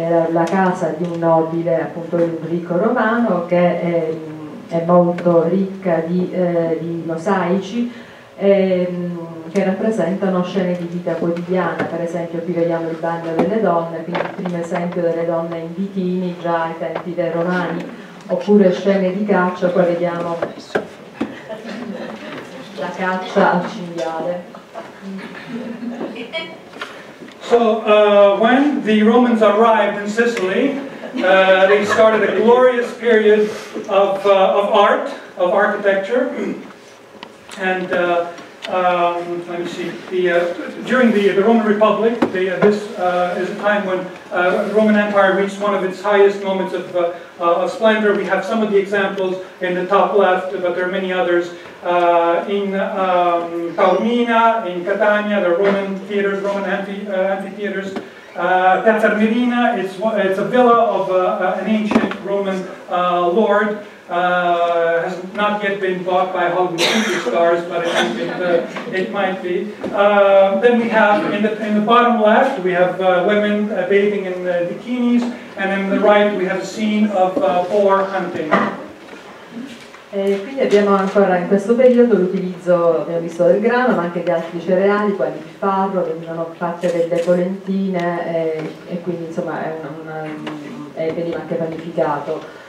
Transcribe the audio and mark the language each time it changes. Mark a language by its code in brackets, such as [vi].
[it] la casa di un nobile, appunto di un ricco romano che è molto ricca di mosaici che rappresentano scene di vita quotidiana. Per esempio qui vediamo il bagno delle donne, quindi il primo esempio delle donne in bikini già ai tempi dei romani, oppure scene di caccia, qua vediamo la caccia al cinghiale. [en] So when the Romans arrived in Sicily, they started a glorious period of art, of architecture. And let me see. During the Roman Republic, this is a time when the Roman Empire reached one of its highest moments of splendor. We have some of the examples in the top left, but there are many others. In Taormina, in Catania, there are Roman theaters, Roman amphitheaters. Piazza Armerina, it's a villa of an ancient Roman lord. Has not yet been bought by Hollywood superstars, but I think it might be. Then we have in the bottom left we have women bathing in bikinis, and in the right we have a scene of boar hunting. [it] E quindi abbiamo ancora in questo periodo l'utilizzo, abbiamo visto, del grano, ma anche di altri cereali, quali il farro, venivano fatte delle polentine e quindi insomma veniva anche panificato.